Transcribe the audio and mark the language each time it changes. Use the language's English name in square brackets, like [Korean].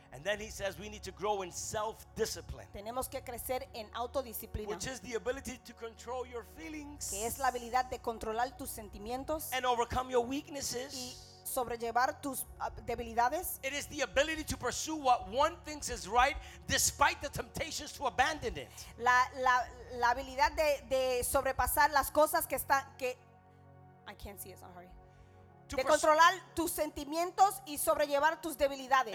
[English] And then he says we need to grow in self-discipline. [Spanish] Tenemos que crecer en autodisciplina. [English] Which is the ability to control your feelings. [Spanish] Que es la habilidad de controlar tus sentimientos. [English] And overcome your weaknesses. [Spanish] Y sobrellevar tus debilidades. [English] It is the ability to pursue what one thinks is right despite the temptations to abandon it. [Spanish] La habilidad de sobrepasar las cosas que están que [English] I can't see it, I'm sorry. [Spanish] De controlar tus sentimientos y sobrellevar tus debilidades.